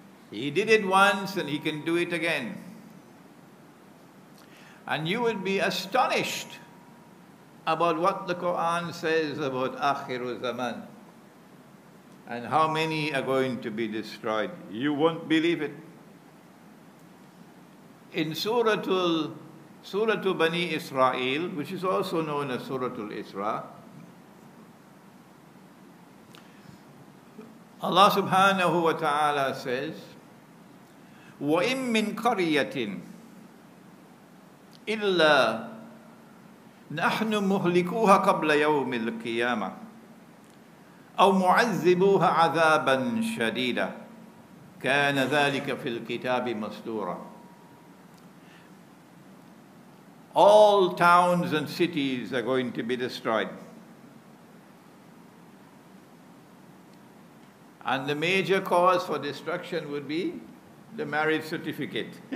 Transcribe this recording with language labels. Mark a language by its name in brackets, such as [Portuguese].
[English] He did it once and He can do it again. And you would be astonished about what the Quran says about Akhiru Zaman and how many are going to be destroyed. You won't believe it. In Suratul Bani Israel, which is also known as Suratul Isra, Allah subhanahu wa ta'ala says, [Arabic] وَإِمْ مِنْ قَرْيَةٍ إِلَّا نَحْنُ مُهْلِكُوهَا قَبْلَ يَوْمِ الْقِيَامَةِ أَوْ مُعَذِّبُوهَا عَذَابًا شَدِيدًا كَانَ ذَلِكَ فِي الْكِتَابِ مَسْطُورًا. [English] All towns and cities are going to be destroyed. And the major cause for destruction would be the marriage certificate.